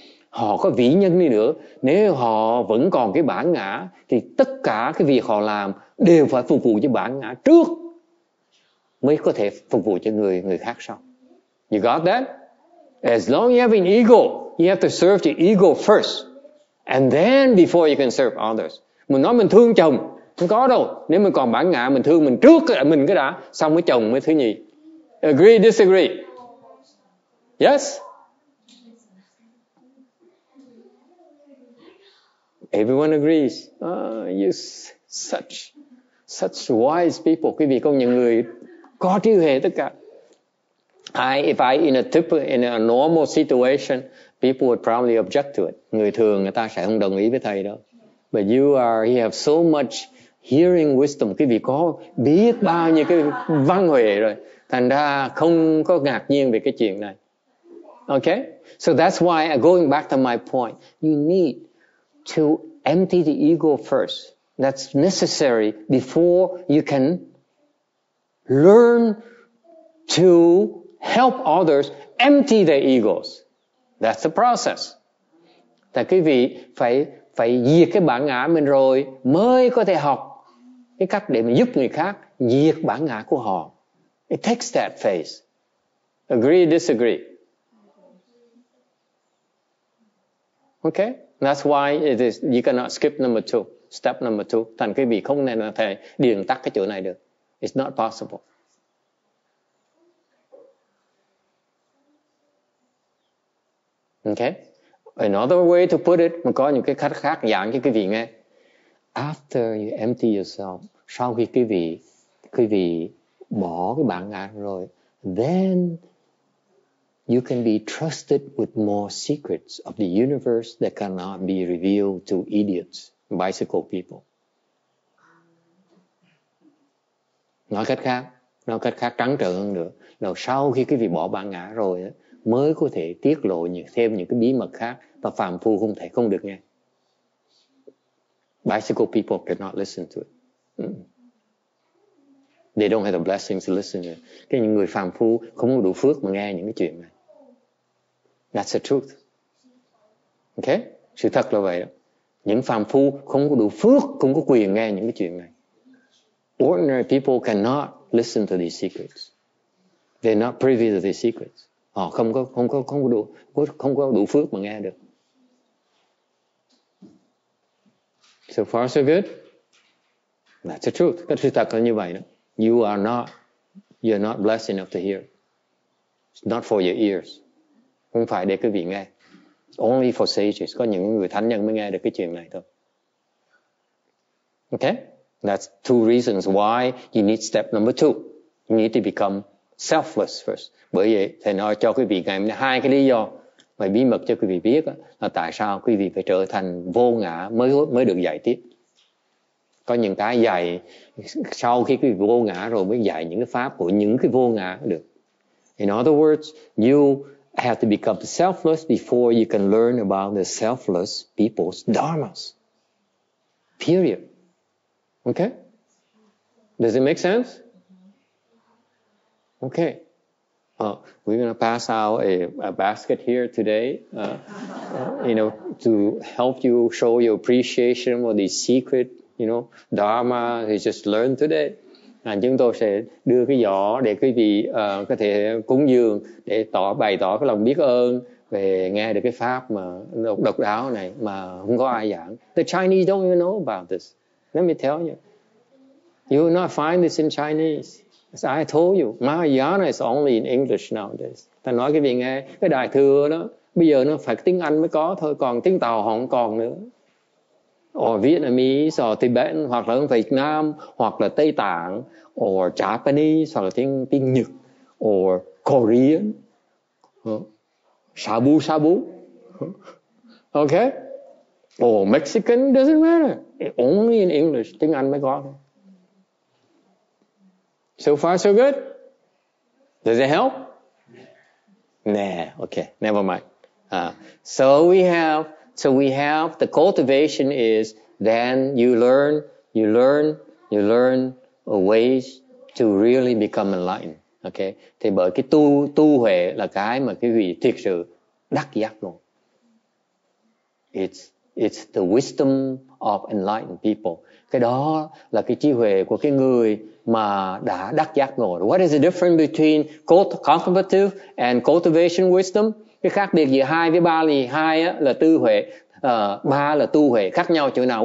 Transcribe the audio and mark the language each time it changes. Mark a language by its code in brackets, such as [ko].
[vi] Họ có vĩ nhân đi nữa, nếu họ vẫn còn cái bản ngã, thì tất cả cái việc họ làm đều phải phục vụ cho bản ngã trước, mới có thể phục vụ cho người khác sau. [en] You got that? As long as you have an ego, you have to serve the ego first. And then before you can serve others. [vi] Mình nói mình thương chồng, không có đâu. Nếu mình còn bản ngã, mình thương mình trước mình cái đã, xong với chồng mới thứ nhì. [en] Agree, disagree? Yes? Everyone agrees. You're such wise people. [vi] Quý vị có những người có trí huệ tất cả. [en] If I in a normal situation, people would probably object to it. [vi] Người thường người ta sẽ không đồng ý với thầy đâu. [en] But you have so much hearing wisdom. [vi] Quý vị có biết bao nhiêu cái văn huệ rồi. Thành ra không có ngạc nhiên về cái chuyện này. [en] Okay? So that's why, going back to my point, you need to empty the ego first. That's necessary before you can learn to help others empty their egos. That's the process. [vi] Tại quý vị phải diệt cái bản ngã mình rồi mới có thể học cái cách để mình giúp người khác diệt bản ngã của họ. [en] It takes that phase. Agree, disagree? Okay? That's why it is, you cannot skip number two, step number two. [vi] Thành quý vị không nên là thể điền tắt cái chỗ này được. [en] It's not possible. Okay? Another way to put it, [vi] mà có những cái cách khác giảng cho quý vị nghe. [en] After you empty yourself, [vi] sau khi quý vị bỏ cái bản ngã rồi, [en] then you can be trusted with more secrets of the universe that cannot be revealed to idiots, bicycle people. [vi] Nói cách khác trắng trợn hơn nữa, là sau khi cái vị bỏ bản ngã rồi á, mới có thể tiết lộ thêm những cái bí mật khác và phàm phu không thể không được nghe. [en] Bicycle people cannot listen to it. They don't have the blessings to listen to it. [vi] Cái những người phàm phu không có đủ phước mà nghe những cái chuyện này. [en] That's the truth. Okay? [vi] Sự thật là vậy đó. Những phàm phu không có đủ phước, không có quyền nghe những cái chuyện này. [en] Ordinary people cannot listen to these secrets. They're not privy to these secrets. [vi] Họ không có đủ phước mà nghe được. [en] So far so good. That's the truth. [vi] Cái sự thật là như vậy đó. [en] You're not blessed enough to hear. It's not for your ears. [vi] Không phải để quý vị nghe. [en] It's only for sages. [vi] Có những người thánh nhân mới nghe được cái chuyện này thôi. [en] Okay? That's two reasons why you need step number two. You need to become selfless first. [vi] Bởi vậy, Thầy nói cho quý vị ngày hôm nay hai cái lý do mà bí mật cho quý vị biết là tại sao quý vị phải trở thành vô ngã mới được dạy tiếp. Có những cái dạy sau khi quý vị vô ngã rồi mới dạy những cái pháp của những cái vô ngã được. [en] In other words, you have to become selfless before you can learn about the selfless people's dharmas. Period. Okay? Does it make sense? Okay. We're going to pass out a basket here today, you know, to help you show your appreciation for the secret, you know, dharma you just learned today. [vi] And chúng tôi sẽ đưa cái giỏ để quý vị có thể cúng dường để bày tỏ cái lòng biết ơn về nghe được cái pháp mà độc đáo này mà không có ai giảng. [en] The Chinese don't even know about this. Let me tell you. You will not find this in Chinese. As I told you, Mahayana is only in English nowadays. [vi] Ta nói cái vị nghe, cái đại thừa đó, bây giờ nó phải tiếng Anh mới có thôi, còn tiếng Tàu họ không còn nữa. [en] Or Vietnamese, or Tibetan, [vi] hoặc là Việt Nam, hoặc là Tây Tạng, [en] or Japanese, [vi] hoặc là tiếng Nhật, [en] or Korean. Shabu-shabu. Okay? Or Mexican, doesn't matter. It only in English, [vi] tiếng Anh mới có thôi. [en] So far, so good? Does it help? Nah, okay, never mind. So we have, the cultivation is, then you learn a ways to really become enlightened. Okay? [vi] Thì bởi cái tu huệ là cái mà quý vị thực sự đắc giác luôn. [en] It's the wisdom of enlightened people. [vi] Cái đó là cái trí huệ của cái người mà đã đắc giác ngộ. [en] What is the difference between contemplative and cultivation wisdom? [vi] Cái khác biệt giữa hai với ba là hai là tư huệ, ba là tu huệ, khác nhau chỗ nào?